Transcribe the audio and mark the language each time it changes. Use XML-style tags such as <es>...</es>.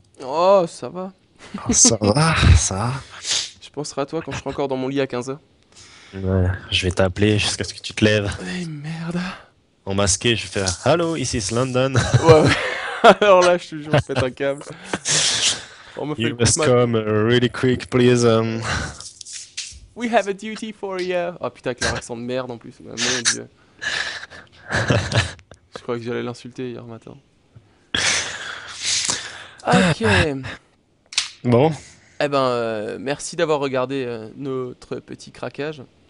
<fr>Oh, ça va. Ça va. Je penserai à toi quand je serai encore dans mon lit à 15h. Ouais, je vais t'appeler jusqu'à ce que tu te lèves. Mais merde. En masqué, je vais faire « Hello, ici c'est London ». Ouais, ouais. Alors là, je suis toujours fait un câble. On me fait</fr> <en>you must come really quick, please. We have a duty for you.</en> <fr>Oh putain, avec l'accent de merde en plus. Mon dieu. Je croyais que j'allais l'insulter hier matin. Ok. Bon. Eh ben, merci d'avoir regardé notre petit craquage.</fr>